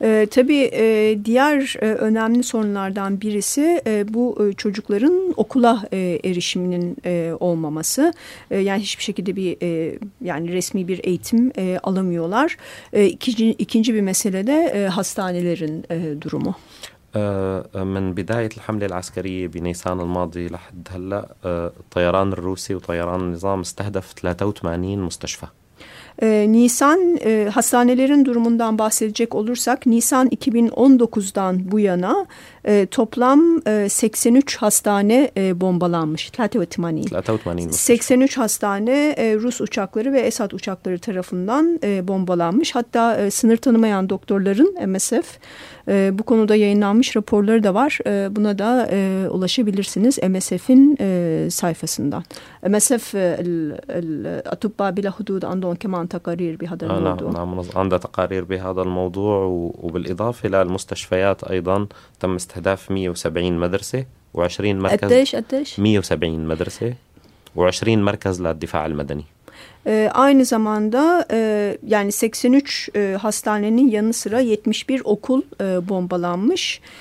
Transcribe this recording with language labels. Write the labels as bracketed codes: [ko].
[tr] Tabii diğer önemli sorunlardan birisi bu çocukların okula erişiminin olmaması. Yani hiçbir şekilde bir yani resmi bir eğitim alamıyorlar. İkinci bir mesele de hastanelerin durumu. [ar] من بداية الحملة العسكرية بنيسان الماضي لحد هلأ الطيران الروسي وطيران النظام استهدف 83 مستشفى. [tr] Nisan hastanelerin durumundan bahsedecek olursak Nisan 2019'dan bu yana toplam 83 hastane bombalanmış. 83 hastane Rus uçakları ve Esad uçakları tarafından bombalanmış. Hatta sınır tanımayan doktorların MSF bu konuda yayınlanmış raporları da var. Buna da ulaşabilirsiniz MSF'in sayfasından. [ar] MSF Atubba Bila Hudud Andon Keman تقارير بهذا الموضوع. نعم نعم عندها تقارير بهذا الموضوع وبالإضافة إلى المستشفيات أيضا تم استهداف 170 مدرسة وعشرين مركز. أديش 170 مدرسة وعشرين مركز للدفاع المدني. [tr] Aynı zamanda yani 83 hastanenin yanı sıra 71 okul bombalanmış.